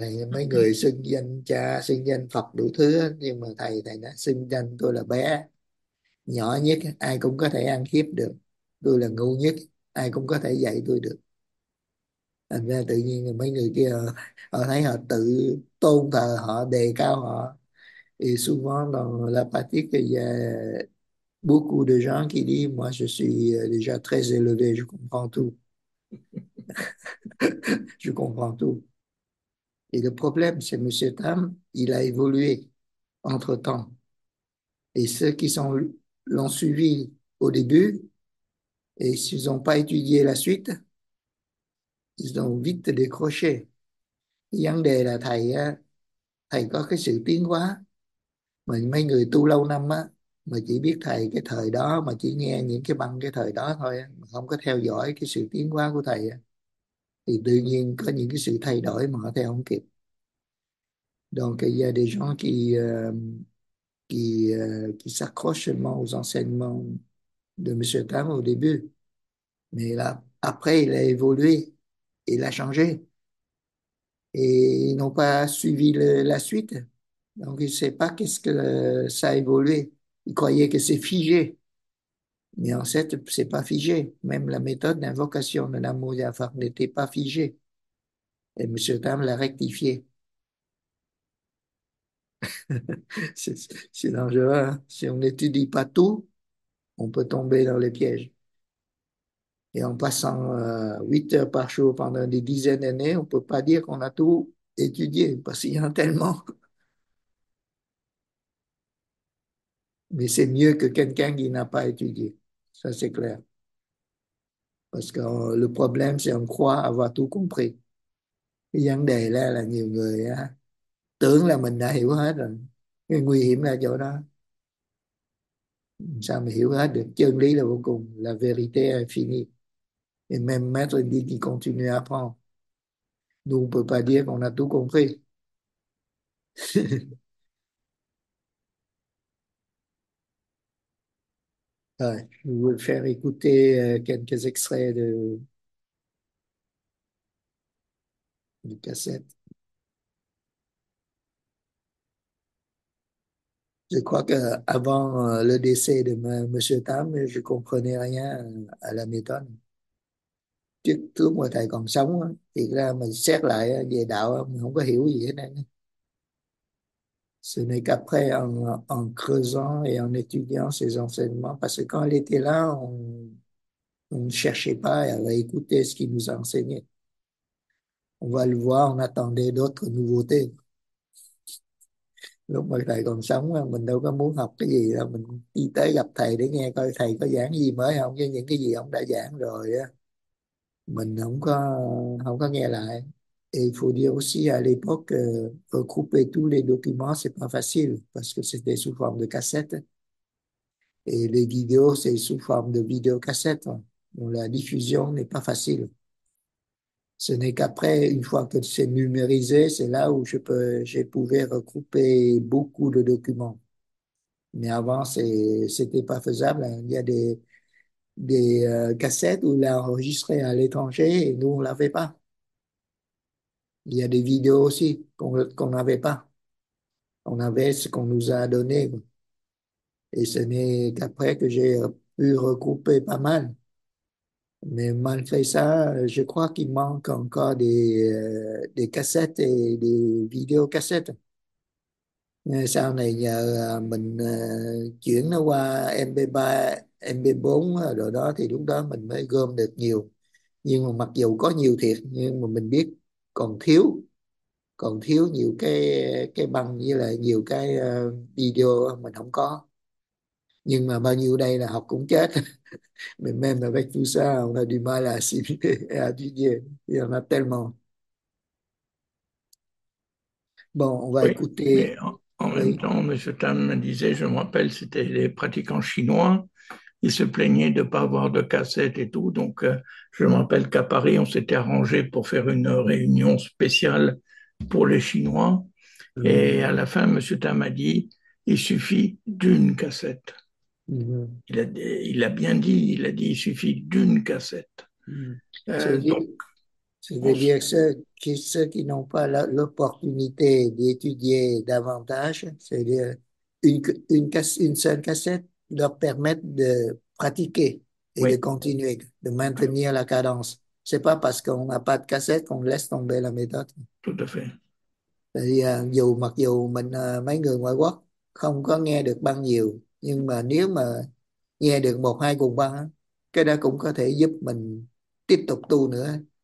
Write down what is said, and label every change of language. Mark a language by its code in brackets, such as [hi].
[vi] Mấy người xưng danh cha, xưng danh Phật đủ thứ, nhưng mà thầy đã xưng danh tôi là bé, nhỏ nhất, ai cũng có thể ăn hiếp được. Tôi là ngu nhất, ai cũng có thể dạy tôi được. Thành ra tự nhiên mấy người kia họ thấy họ tự tôn thờ họ, đề cao họ. [fr] Et souvent dans la pratique, il y a beaucoup de gens qui disent, moi je suis déjà très élevé, je comprends tout. Je comprends tout. Et le problème, c'est Monsieur Tam, il a évolué entre-temps. Et ceux qui l'ont suivi au début, et s'ils n'ont pas étudié la suite, ils ont vite décroché. [vi] Vấn đề là thầy có cái sự tiến hóa. Mà mấy người tu lâu năm á, mà chỉ biết thầy cái thời đó, mà chỉ nghe những cái băng cái thời đó thôi, mà không có theo dõi cái sự tiến hóa của thầy, thì tự nhiên có những cái sự thay đổi mà họ theo không kịp. [fr] Donc, il y a des gens qui s'accrochent seulement aux enseignements de M. Tam au début. Mais là, après, il a évolué. Il a changé. Et ils n'ont pas suivi la suite. Donc, ils ne savent pas qu'est-ce que ça a évolué. Ils croyaient que c'est figé. Mais en fait, ce n'est pas figé. Même la méthode d'invocation de l'amour de la femme n'était pas figée. Et M. Tam l'a rectifié. C'est dangereux. Hein? Si on n'étudie pas tout, on peut tomber dans les pièges. Et en passant 8 heures par jour pendant des dizaines d'années, on ne peut pas dire qu'on a tout étudié, parce qu'il y en a tellement. Mais c'est mieux que quelqu'un qui n'a pas étudié, ça c'est clair. Parce que le problème, c'est qu'on croit avoir tout compris. [vi] Le vấn đề là nhiều người tưởng là mình đã hiểu hết rồi. Cái nguy hiểm là chỗ đó. Sao mà hiểu hết được? Chân lý là vô cùng, là [fr] vérité infinie. Et même maître dit qu'il continue à apprendre. Nous, on ne peut pas dire qu'on a tout compris. Ouais, je voulais faire écouter quelques extraits de cassette. Je crois qu'avant le décès de M. Tam, je ne comprenais rien à la méthode. [vi] Trước mà thầy còn sống thì ra mình xét lại về đạo mình không có hiểu gì hết, [fr] Ce n'est qu'après, en creusant et en étudiant ses enseignements, parce que quand elle était là, on ne cherchait pas à écouter ce qu'il nous a enseigné. On va le voir, on attendait d'autres nouveautés. [vi] Lúc mà thầy còn sống mình đâu có muốn học cái gì đâu, mình đi tới gặp thầy để nghe coi thầy có giảng gì mới không, chứ những cái gì ông đã giảng rồi á mình không có nghe lại. [fr] Et il faut dire aussi à l'époque, regrouper tous les documents, c'est pas facile parce que c'était sous forme de cassette. Et les vidéos, c'est sous forme de vidéocassette. Hein. Donc la diffusion n'est pas facile. Ce n'est qu'après, une fois que c'est numérisé, c'est là où j'ai pouvais regrouper beaucoup de documents. Mais avant, c'était pas faisable. Hein. Il y a des cassettes où l'a enregistré à l'étranger et nous, on l'avait pas. Il y a des vidéos aussi qu'on n'avait pas. On avait ce qu'on nous a donné. Et ce n'est qu'après que j'ai pu regrouper pas mal. Mais malgré ça, je crois qu'il manque encore des cassettes et des vidéocassettes. [vi] Mais sau này nhờ mình chuyển nó qua MP3, MP4 rồi đó thì lúc đó mình mới gom được nhiều. Nhưng mà mặc dù có nhiều thiệt, nhưng mà mình biết còn thiếu nhiều cái băng với lại nhiều cái video mình không có. Nhưng mà bao nhiêu đây là học cũng chết. [fr] Mais même avec tout ça, on a du mal à assimiler et à étudier. Il y en a tellement. Bon, on va Oui, mais écouter. en même Oui. temps, M. Tam me disait, je me rappelle, c'était les pratiquants chinois, ils se plaignaient de ne pas avoir de cassette et tout. Donc, je me rappelle qu'à Paris, on s'était arrangé pour faire une réunion spéciale pour les Chinois. Et à la fin, M. Tam a dit, il suffit d'une cassette. Il a bien dit, il a dit, il suffit d'une cassette. Donc, on se. C'est-à-dire ceux qui n'ont pas l'opportunité d'étudier davantage, c'est-à-dire une seule cassette leur permet de pratiquer et de Oui. continuer, de maintenir la cadence. C'est pas parce qu'on n'a pas de cassette qu'on laisse tomber la méthode. Tout à fait. [vi] Mặc dù mình mấy người ngoại quốc không có nghe được băng nhiều, nhưng mà nếu mà nghe được một hai cuộn băng, cái đó cũng có thể giúp mình tiếp tục tu nữa.